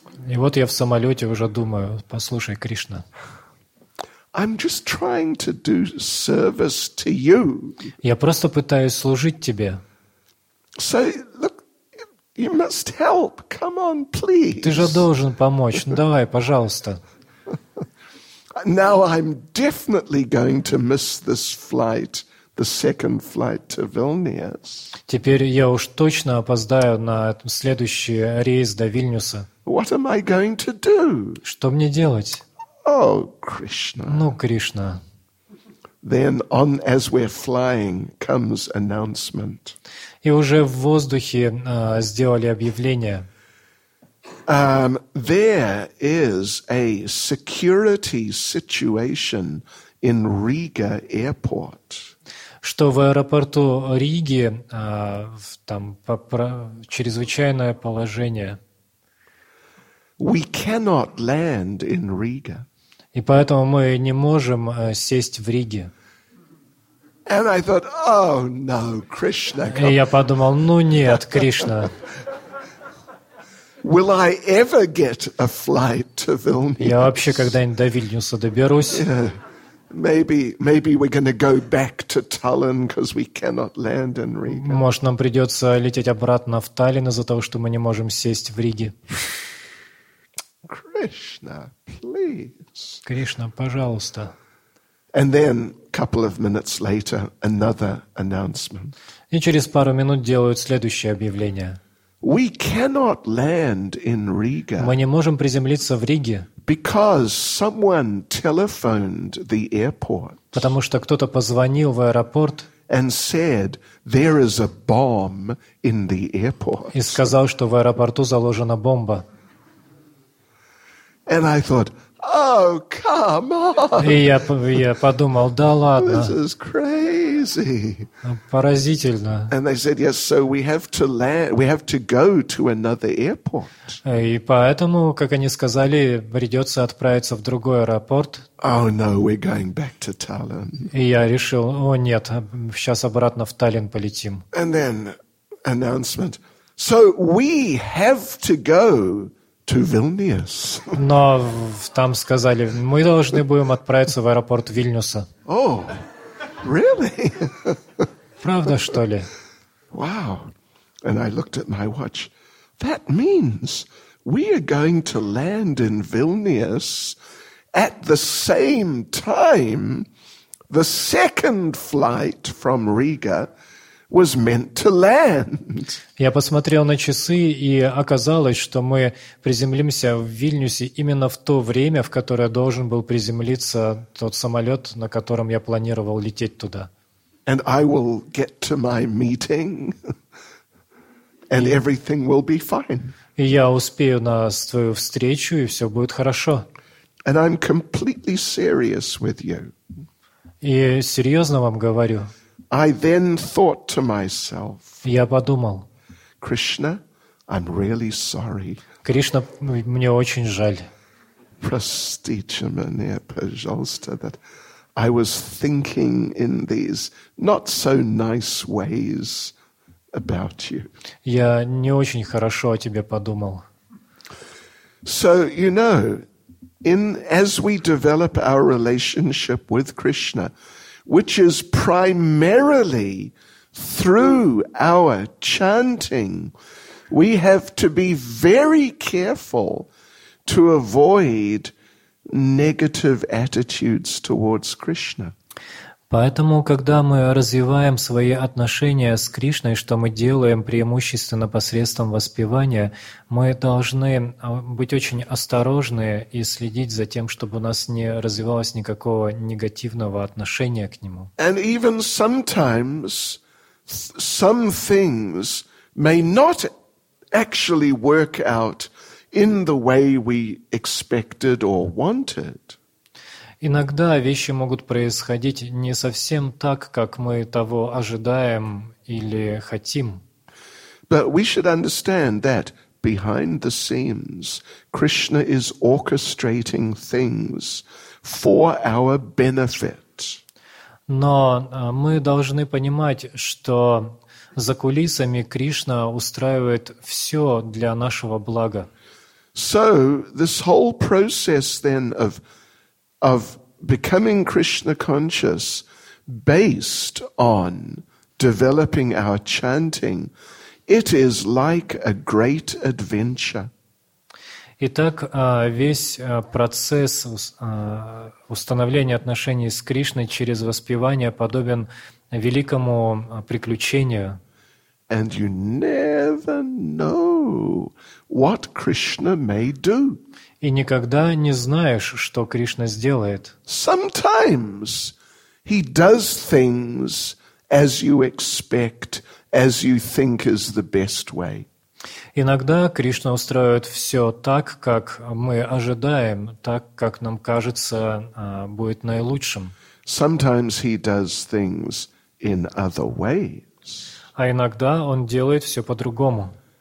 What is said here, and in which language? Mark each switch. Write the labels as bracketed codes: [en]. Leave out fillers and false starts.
[ru] И вот я в самолете уже думаю, послушай, Кришна. [en] I'm just trying to do service to you. [ru] Я просто пытаюсь служить тебе. [en] So, look, you must help. Come on, please. [ru] Ты же должен помочь. Давай, пожалуйста. [en] Now I'm definitely going to miss this flight, the second flight to Vilnius. [ru] Теперь я уж точно опоздаю на следующий рейс до Вильнюса. [en] What am I going to do? [ru] Что мне делать? [en] Oh, Krishna. [ru] Кришна. [en] Then on as we're flying comes announcement. [ru] И уже в воздухе сделали объявление. [en] There is a security situation in Riga Airport. [ru] Что в аэропорту Риги там чрезвычайное положение. [en] We cannot land in Riga. [ru] И поэтому мы не можем сесть в Риге. [en] And I thought, oh no, Krishna. [ru] И я подумал, нет, Кришна. [en] Will I ever get a flight to Vilnius? [ru] Я вообще когда-нибудь до Вильнюса доберусь? [en] Maybe we're going to go back to Tallinn because we cannot land in Riga. [ru] Может, нам придется лететь обратно в Таллин из-за того, что мы не можем сесть в Риге. [en] Krishna, please. [ru] Кришна, пожалуйста. [en] And then a couple of minutes later, another announcement. [ru] И через пару минут делают следующее объявление. [en] We cannot land in Riga. [ru] Мы не можем приземлиться в Риге. [en] Because someone telephoned the airport. [ru] Потому что кто-то позвонил в аэропорт. [en] And said there is a bomb in the airport. [ru] И сказал, что в аэропорту заложена бомба. [en] And I thought, oh come on. [ru] И я подумал, да ладно. [en] This is crazy. [ru] Поразительно. [en] And they said, yes, so we have to land, we have to go to another airport. [ru] И поэтому, как они сказали, придется отправиться в другой аэропорт. [en] Oh no, we're going back to Tallinn. [ru] И я решил, о нет, сейчас обратно в Таллин полетим. [en] And then announcement. So we have to go. To Vilnius. [ru] Но там сказали, мы должны будем отправиться в аэропорт Вильнюса. [en] Oh, really? [ru] Правда, что ли? [en] Wow. And I looked at my watch. That means we are going to land in Vilnius at the same time the second flight from Riga was meant to land. [ru] Я посмотрел на часы, и оказалось, что мы приземлимся в Вильнюсе именно в то время, в которое должен был приземлиться тот самолет, на котором я планировал лететь туда. [en] And I will get to my meeting, and everything will be fine. [ru] И я успею на свою встречу, и все будет хорошо. [en] And I'm completely serious with you. [ru] И серьезно вам говорю. [en] I then thought to myself, [ru] я подумал, [en] Krishna, I'm really sorry. [ru] Кришна, мне очень жаль. Простите меня, пожалуйста, [en] that I was thinking in these not so nice ways about you. [ru] Я не очень хорошо о тебе подумал. [en] So, you know, in as we develop our relationship with Krishna, which is primarily through our chanting, we have to be very careful to avoid negative attitudes towards Krishna. [ru] Поэтому, когда мы развиваем свои отношения с Кришной, что мы делаем преимущественно посредством воспевания, мы должны быть очень осторожны и следить за тем, чтобы у нас не развивалось никакого негативного отношения к Нему. [en] And even sometimes some things may not actually work out in the way we expected or wanted. [ru] Иногда вещи могут происходить не совсем так, как мы того ожидаем или хотим. [en] But we should understand that behind the scenes Krishna is orchestrating things for our benefit. [ru] Но мы должны понимать, что за кулисами Кришна устраивает все для нашего блага. [en] So this whole process then of becoming Krishna conscious based on developing our chanting, it is like a great adventure. [ru] Итак, весь процесс установления отношений с Кришной через воспевание подобен великому приключению. [en] And you never know what Krishna may do. [ru] И никогда не знаешь, что Кришна сделает. [en] Sometimes he does things as you expect, as you think is the best way. [ru] Иногда Кришна устраивает все так, как мы ожидаем, так, как нам кажется, будет наилучшим. [en] Sometimes he does things in other ways. [ru] А иногда он делает все по-другому.